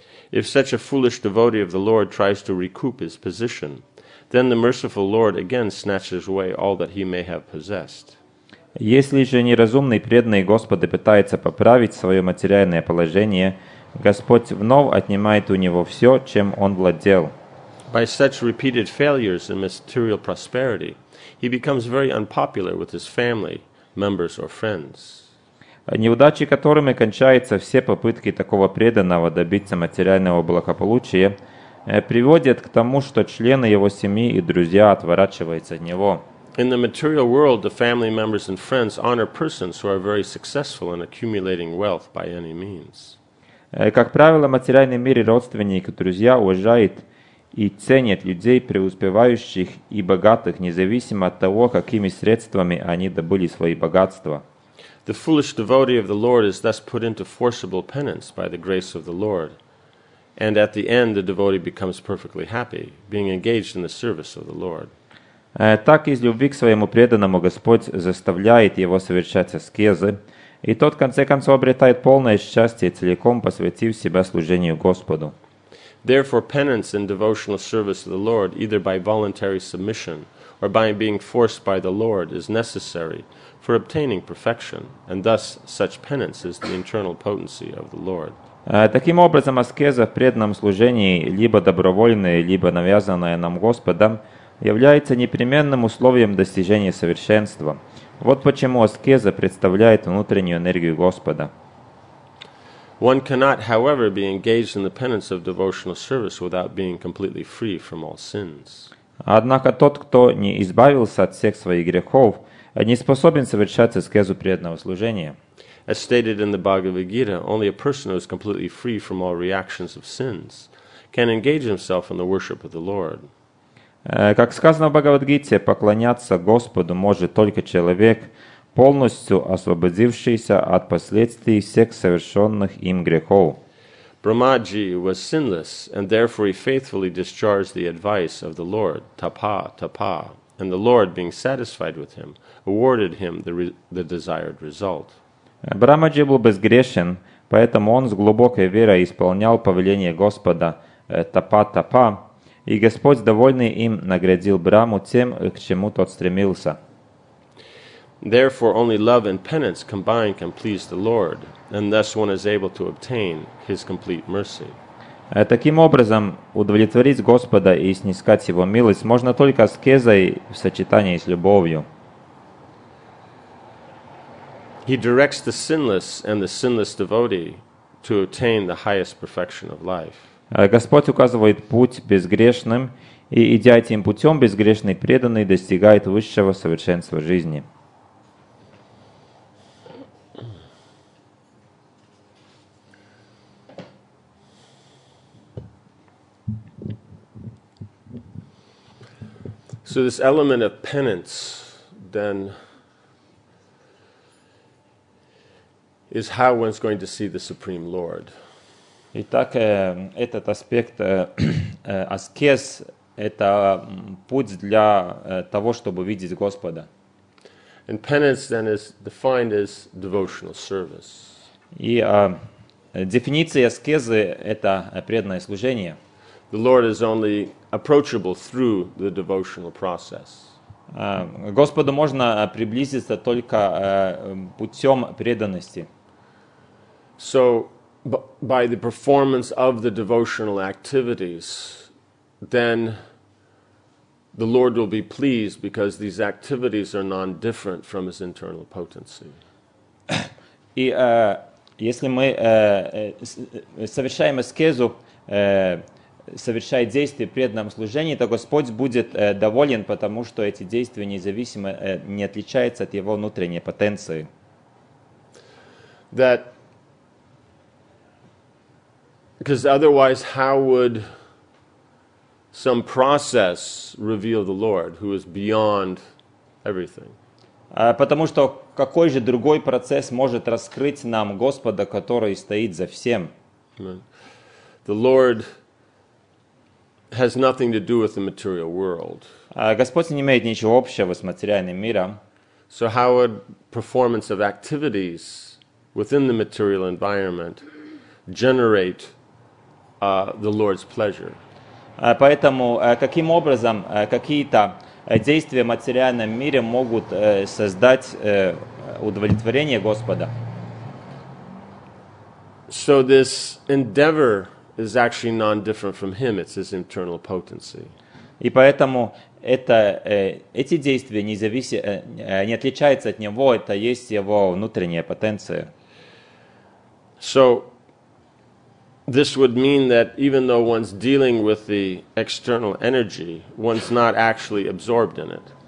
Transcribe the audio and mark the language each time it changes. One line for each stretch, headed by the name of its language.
English: If such a foolish devotee of the Lord tries to recoup his position, then the merciful Lord again snatches away all that he may have possessed.
Russian: Если же неразумный преданный Господа пытается поправить свое материальное положение, Господь вновь отнимает у него все, чем он владел.
English: By such repeated failures in material prosperity, he becomes very unpopular with his family, members or friends.
Russian: Неудачи, которыми кончаются все попытки такого преданного добиться материального благополучия, приводят к тому, что члены его семьи и друзья отворачиваются от него.
English: In the material world, the family members and friends honor persons who are very successful in accumulating wealth by any means.
Russian: Как правило, в материальном мире родственники и друзья уважают и ценят людей, преуспевающих и богатых, независимо от того, какими средствами они добыли свои богатства.
English: The foolish devotee of the Lord is thus put into forcible penance by the grace of the Lord. And at the end, the devotee becomes perfectly happy, being engaged in the service of the Lord.
Russian: Так из любви к своему преданному Господь заставляет его совершать аскезы, и тот, в конце концов, обретает полное счастье, целиком посвятив себя служению Господу.
English: Therefore, penance in devotional service of the Lord, either by voluntary submission or by being forced by the Lord, is necessary for obtaining perfection, and thus such penance is the internal potency of the Lord.
Russian: Таким образом, аскеза в преданном служении, либо добровольная, либо навязанная нам Господом, является непременным условием достижения совершенства. Вот почему аскеза представляет внутреннюю энергию Господа.
English: One cannot, however, be engaged in the penance of devotional service without being completely free from all sins.
Russian: Однако тот, кто не избавился от всех своих грехов, не способен совершать аскезу преданного служения.
English: As stated in the Bhagavad Gita, only a person who is completely free from all reactions of sins can engage himself in the worship of the Lord.
Russian: Как сказано в Бхагавад-гите, поклоняться Господу может только человек, полностью освободившийся от последствий всех совершенных им грехов.
English: Брахмаджи was sinless, and therefore he faithfully discharged the advice of the Lord, tapa, tapa, and the Lord, being satisfied with him, awarded him the desired result.
Russian: Брахмаджи был безгрешен, поэтому он с глубокой верой исполнял повеление Господа, тапа, тапа, и Господь, довольный им, наградил Брахму тем, к чему тот стремился.
English: Therefore, only love and penance combined can please the Lord, and thus one is able to obtain His complete mercy.
Russian: Таким образом, удовлетворить Господа и снискать Его милость можно только аскезой в сочетании с любовью.
English: He directs the sinless and the sinless devotee to attain the highest perfection of life.
Russian: Господь указывает путь безгрешным, и идя этим путем, безгрешный преданный достигает высшего совершенства жизни.
English: So this element of penance then is how one's going to see the Supreme Lord.
Russian: Итак, этот аспект аскез – это путь для того, чтобы видеть Господа.
English: And penance then is defined as devotional service.
Russian: И дефиниция аскезы – это преданное служение.
English: The Lord is only approachable through the devotional process.
Russian: Господу можно приблизиться только путем преданности.
English: So, by the performance of the devotional activities, then the Lord will be pleased because these activities are non-different from His internal potency.
Russian: И если мы совершаем аскезу, совершает действие в преданном служении, то Господь будет доволен, потому что эти действия независимо не отличаются от Его внутренней потенции.
English: That, because otherwise, how would some process reveal the Lord, who is beyond everything?
Russian: Потому что какой же другой процесс может раскрыть нам Господа, который стоит за всем?
English: The Lord has nothing to do with the material world.
Russian: Господь не имеет ничего общего с материальным миром.
English: So how would performance of activities within the material environment generate the Lord's pleasure?
Russian: Поэтому каким образом какие-то действия в материальном мире могут создать удовлетворение Господа?
English: So this endeavor is actually non-different from Him, it's His internal potency.
Russian: И поэтому это эти действия не отличаются от Него, это есть Его внутренняя потенция.
English: So, this would mean that even though one's dealing with the external energy, one's not actually absorbed in it.